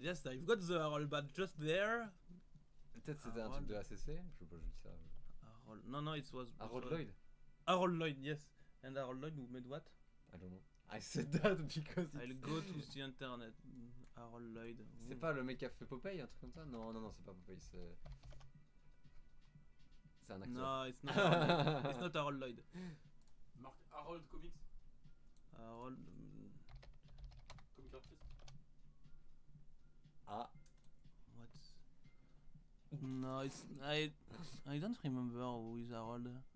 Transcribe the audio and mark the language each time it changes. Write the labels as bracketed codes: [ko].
[en] Yes, I've got the Harold, but just there. [fr] Peut-être c'était un truc de ACC. Je sais pas, je dis ça. [en] Harold. No, it was Harold Lloyd. Harold Lloyd, yes. And Harold Lloyd who made what? I don't know. I said that because I'll go to the internet. Harold Lloyd. [fr] C'est pas le mec qui a fait Popeye, un truc comme ça? Non, non, non, c'est pas Popeye, c'est... C'est un acteur. [en] No, it's not Harold, it's not Harold Lloyd. Mark Harold Comics? Harold... Comic artist? Ah. What? No, it's... I don't remember who is Harold.